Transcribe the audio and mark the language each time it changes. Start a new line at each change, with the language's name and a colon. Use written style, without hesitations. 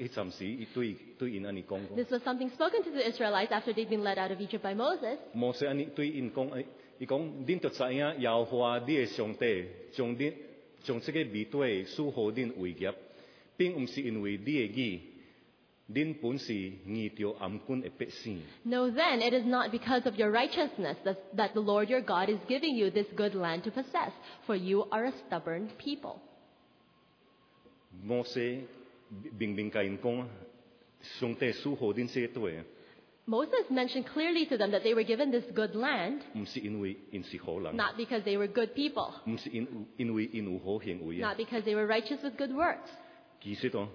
English: This was something spoken to the Israelites after they'd been led out of Egypt by Moses.
Min Nan Chinese: Moses 安尼对因讲，伊讲，恁就知影耶和华你的上帝将这个米地赐予恁为业，并唔是因为你的义。
English: Know then, it is not because of your righteousness that the Lord your God is giving you this good land to possess, for you are a stubborn people. Moses mentioned clearly to them that they were given this good land, not because they were good people, not because they were righteous with good works.